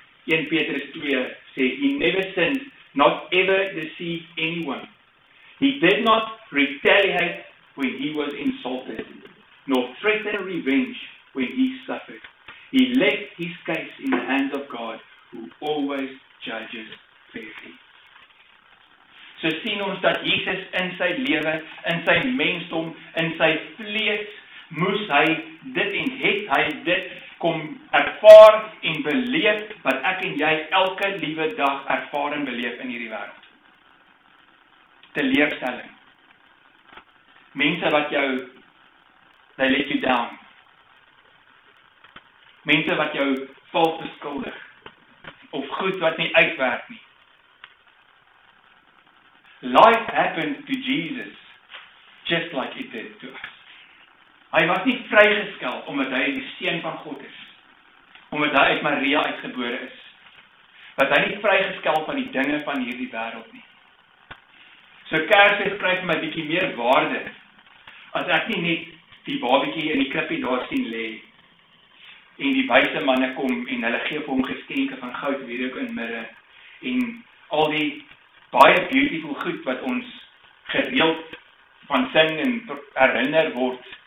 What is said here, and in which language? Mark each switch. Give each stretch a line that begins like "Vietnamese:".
Afrikaans: 1 Petrus 2 sê,
English: he never sinned, not ever deceived anyone. He did not retaliate when he was insulted, nor threaten revenge when he suffered. He left his case in the hands of God, who always judges fairly.
Afrikaans: So sien ons dat Jesus in sy lewe, in sy mensdom, in sy vlees, moes hy dit en het hy dit kom ervaar en beleef, wat ek en jy elke liewe dag ervaar en beleef in hierdie wêreld. Teleurstelling. Mense wat jou,
English: they let you down.
Afrikaans: Mense wat jou vals beskuldig, of goed wat nie uitwerk nie.
English: Life happened to Jesus just like it did to us.
Afrikaans: Hy was nie vrygeskel omdat hy die seun van God is. Omdat hy uit Maria uitgebore is. Wat hy nie vrygeskel van die dinge van hierdie wêreld nie. So Kersfees kry my 'n bietjie meer waarde as ek nie net die babietjie in die krippie daar sien lê en die wyse manne kom en hulle gee vir hom geskenke van goud, wierook en mirre en al die baie beautiful goed wat ons gereeld van sing en herinner word.